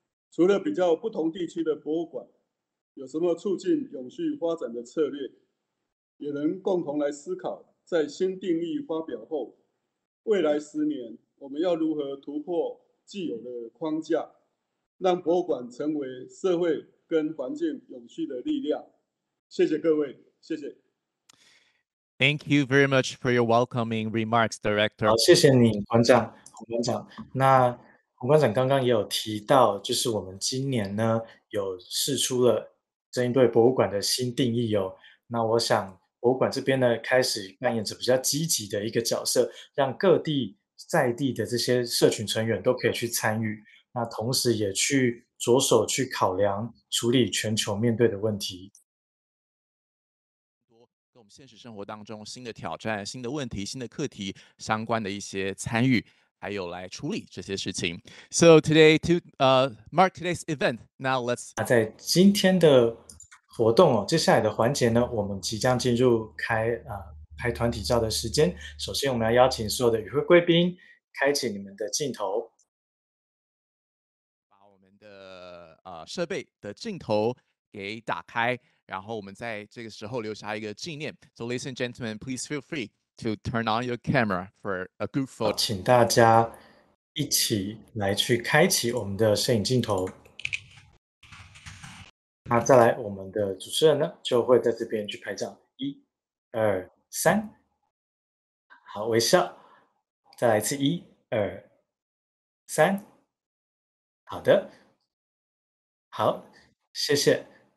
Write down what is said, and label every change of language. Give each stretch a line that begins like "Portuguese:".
Chinese: 除了比较不同地区的博物馆有什么促进永续发展的策略，也能共同来思考在新定义发表后未来十年我们要如何突破既有的框架，让博物馆成为社会跟环境永续的力量。谢谢各位，谢谢。
English: Thank you very much for your welcoming remarks, Director.
Chinese: 好，谢谢你馆长洪馆长。那洪馆长刚刚也有提到，就是我们今年呢有释出了针对博物馆的新定义哦。那我想博物馆这边呢开始扮演着比较积极的一个角色，让各地在地的这些社群成员都可以去参与，那同时也去着手去考量处理全球面对的问题，跟我们现实生活当中新的挑战、新的问题、新的课题相关的一些参与，还有来处理这些事情。
English: So today to mark today's event, now let's
Chinese: 在今天的活动哦，接下来的环节呢，我们即将进入拍团体照的时间。首先，我们要邀请所有的与会贵宾开启你们的镜头，把我们的设备的镜头给打开，然后我们在这个时候留下一个纪念。
English: So, ladies and gentlemen, please feel free to turn on your camera for a good photo。
Chinese: 请大家一起来去开启我们的摄影镜头。那再来，我们的主持人呢就会在这边去拍照。一、二三，好，微笑，再来一次，一二三，好的，好，谢谢。